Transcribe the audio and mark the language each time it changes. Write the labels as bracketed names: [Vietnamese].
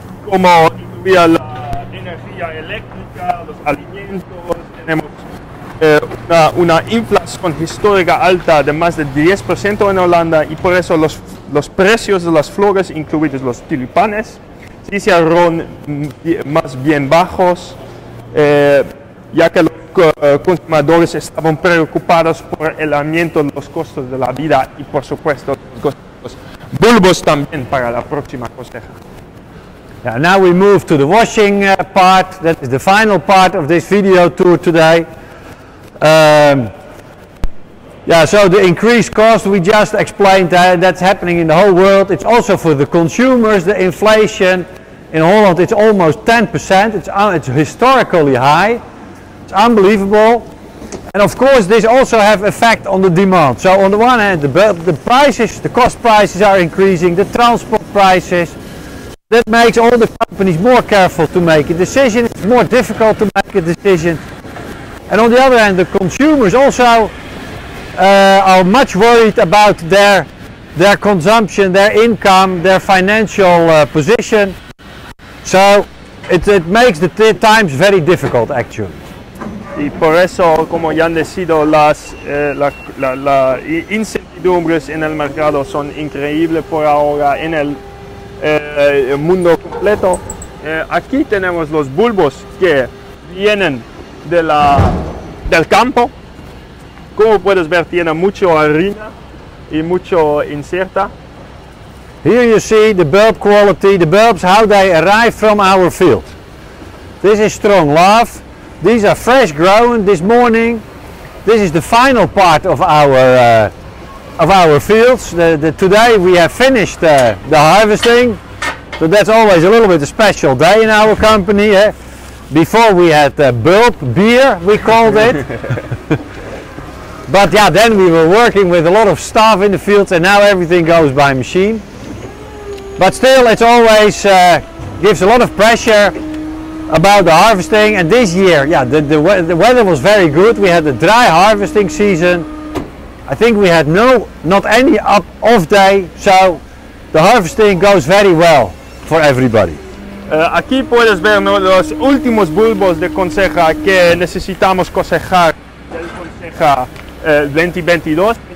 [Spanish] Como incluía la energía eléctrica, los alimentos, tenemos una inflación histórica alta de más de 10% en Holanda y por eso los precios de las flores, incluidos los tulipanes, se hicieron más bien bajos, ya que los consumidores estaban preocupados por el aumento de los costos de la vida y por supuesto los costos bulbos también para la próxima cosecha. [English] Yeah, now we move to the washing part. That is the final part of this video tour today. So the increased cost we just explained, that's happening in the whole world. It's also for the consumers, the inflation in Holland, it's almost 10%. It's historically high. It's unbelievable. And of course, this also have effect on the demand. So on the one hand, the prices, the cost prices are increasing, the transport prices. That makes all the companies more careful to make a decision. It's more difficult to make a decision. And on the other hand, the consumers also are much worried about their consumption, their income, their financial position. So it makes the times very difficult, actually. [Spanish] Y por eso, como ya han decidido, las la incertidumbres en el mercado son increíbles por ahora en el mundo completo. Aquí tenemos los bulbos que vienen de del campo. Como puedes ver, tiene mucho harina y mucho inserta. [English] Here you see the bulb quality, the bulbs, how they arrive from our field. This is strong love. These are fresh grown this morning. This is the final part of our fields. Today we have finished the harvesting. So that's always a little bit a special day in our company. Eh? Before we had bulb beer, we called it. But yeah, then we were working with a lot of staff in the fields and now everything goes by machine. But still, it's always gives a lot of pressure about the harvesting. And this year, yeah, the weather was very good. We had a dry harvesting season. I think we had not any off day, so the harvesting goes very well for everybody. [Spanish] Aquí puedes ver los últimos bulbos de cosecha que necesitamos cosechar del cosecha 2022.